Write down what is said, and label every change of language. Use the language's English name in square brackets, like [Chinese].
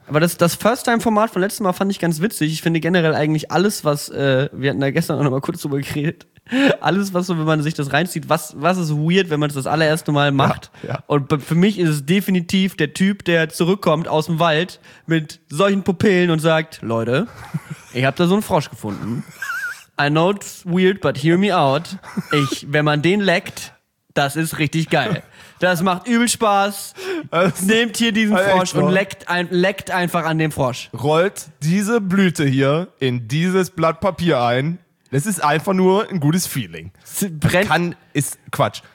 [German] Aber das First-Time-Format von letztem Mal fand ich ganz witzig. Ich finde generell eigentlich alles, was, wir hatten da gestern auch noch mal kurz drüber geredet, alles, was so, wenn man sich das reinzieht, was ist weird, wenn man es das allererste Mal macht. Ja, ja. Und für mich ist es definitiv der Typ, der zurückkommt aus dem Wald mit solchen Pupillen und sagt, Leute, ich hab da so einen Frosch gefunden. [English] I know it's weird, but hear me out. [German] Wenn man den leckt, das ist richtig geil. Das macht übel Spaß. Also, nehmt hier diesen Frosch und leckt einfach an dem Frosch. Rollt diese Blüte hier in dieses Blatt Papier ein. Das ist einfach nur ein gutes Feeling. Ist Quatsch.